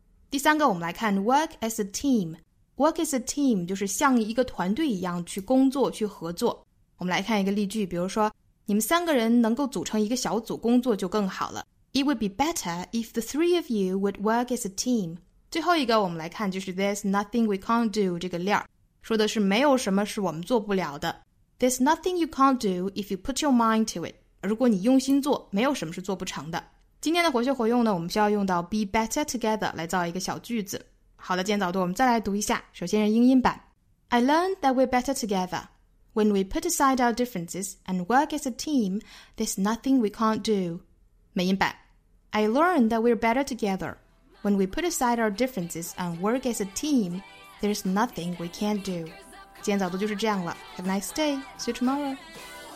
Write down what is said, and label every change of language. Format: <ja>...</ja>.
<zh>第三个我们来看</zh> <en>work as a team</en> <zh>work as a team 就是像一个团队一样去工作去合作我们来看一个例句比如说你们三个人能够组成一个小组工作就更好了。</zh> <en>It would be better if the three of you would work as a team.</en> <zh>最后一个我们来看就是</zh> <en>There's nothing we can't do</en> <zh>这个链儿，说的是没有什么是我们做不了的。</zh> <en>There's nothing you can't do if you put your mind to it.</en> <zh>如果你用心做，没有什么是做不成的。今天的活学活用呢，我们需要用到</zh> <en>be better together</en> <zh>来造一个小句子。好的，今天早读我们再来读一下，首先是英音版。</zh> <en>I learned that we're better together. When we put aside our differences and work as a team, there's nothing we can't do.</en> <zh>美音版</zh> <en>I learned that we're better together. When we put aside our differences and work as a team, there's nothing we can't do.</en> <zh>今天早读就是这样了。</zh> <en>Have a nice day. See you tomorrow.</en>